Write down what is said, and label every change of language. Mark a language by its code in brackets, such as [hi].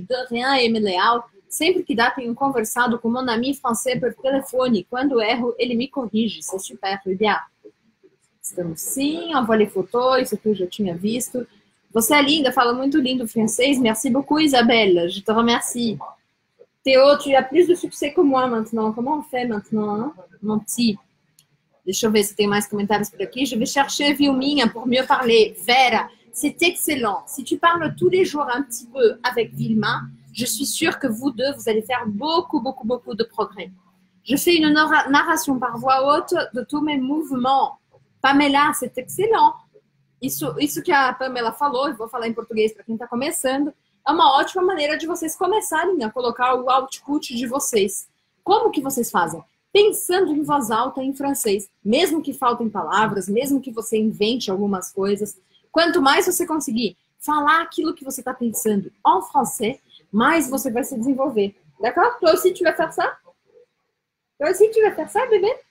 [fr] De rien, [pt] M. Leal, sempre que dá, tenho conversado com [fr] mon ami français [pt] por telefone. Quando erro, ele me corrige. [fr] C'est super, Lydia. [pt] Estamos sim, [fr] envoie les photos, [pt] isso aqui eu já tinha visto. Você é linda, fala muito lindo francês. [fr] Merci beaucoup, Isabelle. Je te remercie. Théo, tu as plus de succès que moi maintenant. Comment on fait maintenant, hein? Mon petit? [pt] Deixa eu ver se tem mais comentários por aqui. [fr] Je vais chercher Vilminha pour mieux parler. Vera, c'est excellent. Si tu parles tous les jours un petit peu avec Vilma, je suis sûre que vous deux, vous allez faire beaucoup, beaucoup, beaucoup de progrès. Je fais une narration par voix haute de tous mes mouvements. Pamela, c'est excellent. [pt] Isso que a Pamela falou, eu vou falar em português para quem está começando. É uma ótima maneira de vocês começarem a colocar o output de vocês. Como que vocês fazem? Pensando em voz alta em francês. Mesmo que faltem palavras, mesmo que você invente algumas coisas, quanto mais você conseguir falar aquilo que você está pensando en français, mais você vai se desenvolver. [fr] D'accord? Toi aussi, tu vas faire ça? Toi aussi, tu vas faire ça, bébé?